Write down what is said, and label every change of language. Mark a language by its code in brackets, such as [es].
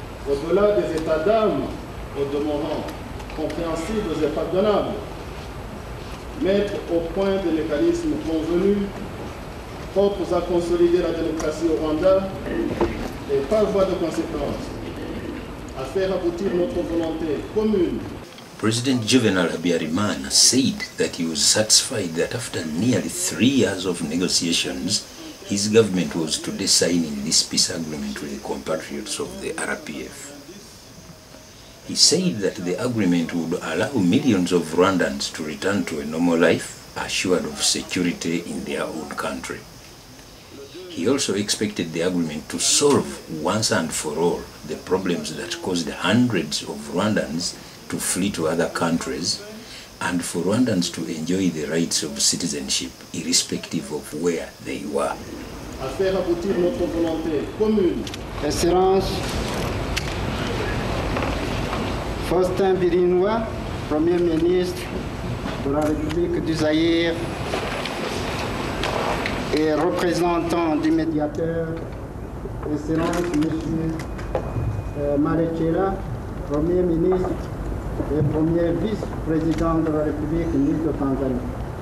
[fr] au-delà des états d'âme, au demeurant, compréhensibles et pardonnables, mettre au point des mécanismes convenus propres à consolider la démocratie au Rwanda et par voie de conséquence à faire aboutir notre volonté commune. [en] President Juvenal Habyarimana said that he was satisfied that after nearly 3 years of negotiations, his government was today signing this peace agreement with the compatriots of the RPF. He said that the agreement would allow millions of Rwandans to return to a normal life, assured of security in their own country. He also expected the agreement to solve once and for all the problems that caused hundreds of Rwandans to flee to other countries, and for Rwandans to enjoy the rights of citizenship, irrespective of where they were. [fr] À faire aboutir notre volonté commune. Excellence, Faustin Birinois, Premier ministre de la République du Zaïre et représentant du médiateur, Excellence Monsieur Melchior, Premier ministre et premier vice-président de la République unie de Tanzanie.